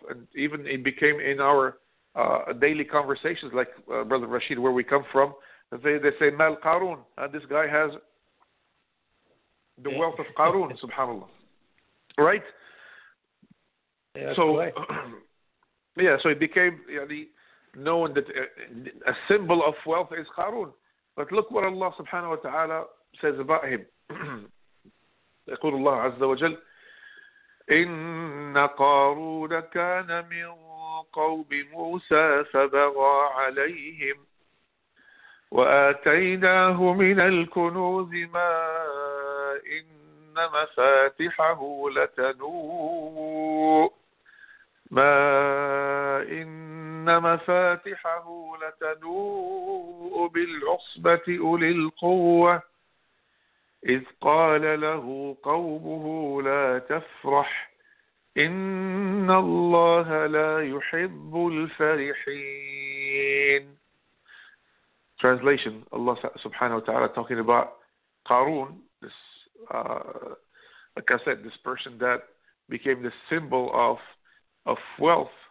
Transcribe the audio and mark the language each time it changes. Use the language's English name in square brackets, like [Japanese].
[English] And even it became in our daily conversations, like Brother Rashid, where we come from, they say Mal Qarun, and this guy has the wealth of Qarun, subhanAllah. Right? So it became known that a symbol of wealth is Qarun. But look what Allah subhanahu wa ta'ala says about him. [Arabic] يقول الله عز وجل إن قارون كان من قوم موسى فبغى عليهم وآتيناه من الكنوز ما إن مفاتحه لتنوء ما إن مفاتحه لتنوء بالعصبة أولي القوة إذ قال له قومه لا تفرح إن الله لا يحب الفرحين. [English] translation, Allah subhanahu wa ta'ala talking about Qarun, this, like I said, this person that became the symbol of wealth.